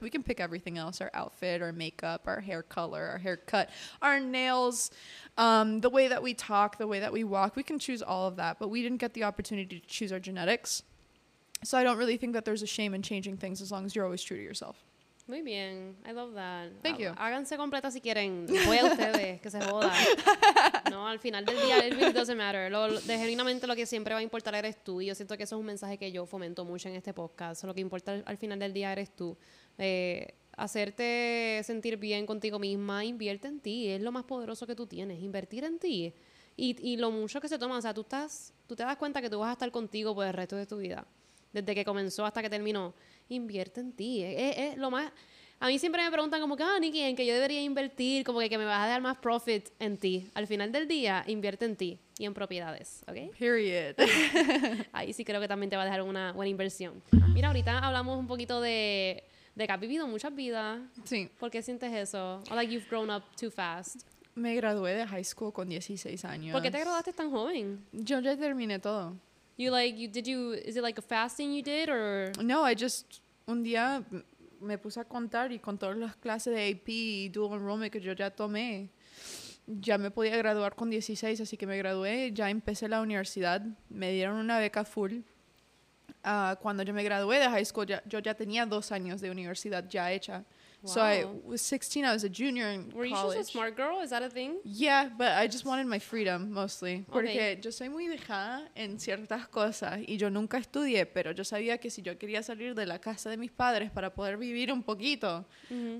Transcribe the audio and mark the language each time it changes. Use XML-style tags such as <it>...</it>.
<en>We can pick everything else, our outfit, our makeup, our hair color, our haircut, our nails, the way that we talk, the way that we walk, we can choose all of that, but we didn't get the opportunity to choose our genetics. So I don't really think that there's a shame in changing things as long as you're always true to yourself.</en> <es>Muy bien.</es> <en>I love that. Thank you.</en> <es>Háganse completa si quieren. Voy a ustedes, que se jodan. No, al final del día,</es> <en>it really doesn't matter.</en> <es>De genuinamente lo que siempre va a importar eres tú. Y yo siento que eso es un mensaje que yo fomento mucho en este podcast. Lo que importa al final del día eres tú. Hacerte sentir bien contigo misma, invierte en ti. Es lo más poderoso que tú tienes, invertir en ti. Y lo mucho que se toma, o sea, tú te das cuenta que tú vas a estar contigo por el resto de tu vida. Desde que comenzó hasta que terminó, invierte en ti. Es lo más. A mí siempre me preguntan como que, Nikki, ¿en qué yo debería invertir? Como que me vas a dar más profit en ti. Al final del día, invierte en ti y en propiedades, ¿ok?</es> <en>Period.</en> <es>Ahí sí creo que también te va a dejar una buena inversión. Mira, ahorita hablamos un poquito de que has vivido muchas vidas. Sí. ¿Por qué sientes eso? O</es> <en>like you've grown up too fast.</en> <es>Me gradué de high school con 16 años. ¿Por qué te graduaste tan joven? Yo ya terminé todo.</es> <en>You like, you did you, is it like a fasting you did or?</en> <es>No,</es> <en>I just,</en> <es>un día me puse a contar y con todas las clases de AP y dual enrollment que yo ya tomé, ya me podía graduar con 16, así que me gradué, ya empecé la universidad, me dieron una beca full. Cuando yo me gradué de high school, yo ya tenía 2 años de universidad ya hecha.</es> <en>Wow. So I was 16, I was a junior in Were college. Were you just a smart girl? Is that a thing? Yeah, but I just wanted my freedom, mostly. Okay.</en> <es>Porque yo soy muy dejada en ciertas cosas, y yo nunca estudié, pero yo sabía que si yo quería salir de la casa de mis padres para poder vivir un poquito, mm-hmm.</es>